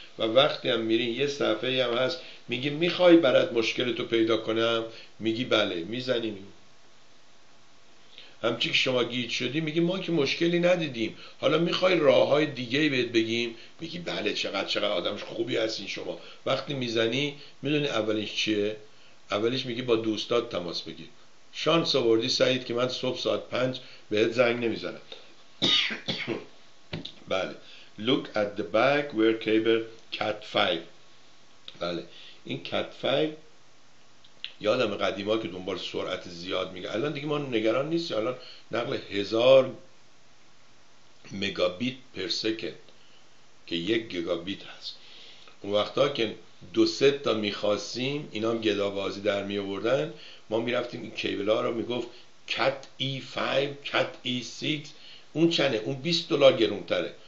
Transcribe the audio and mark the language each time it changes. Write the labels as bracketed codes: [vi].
[fa] و وقتی هم میرین یه صفحه هم هست میگی میخوای برات مشکلتو پیدا کنم، میگی بله، میزنی همچی که شما گیج شدی میگی ما که مشکلی ندیدیم، حالا میخوای راه های دیگه بهت بگیم، میگی بله چقدر آدمش خوبی هستین شما. وقتی میزنی میدونی اولش چیه؟ اولش میگی با دوستات تماس بگیر. شانس آوردی سعید که من صبح ساعت 5 بهت زنگ نمیزنم. [en] بله look at the back where cable cat 5. [fa] بله این cat 5 یادم قدیما که دنبال سرعت زیاد میگه، الان دیگه ما نگران نیستی، الان نقل 1000 مگابیت پر سکند که 1 گیگابیت هست. اون وقتا که 2-3 تا میخواستیم اینا هم گدابازی در میابردن، ما میرفتیم این کیبل ها رو میگفت کت ای 5 کت ای 6 اون چنه؟ اون 20 دلار گرون تره.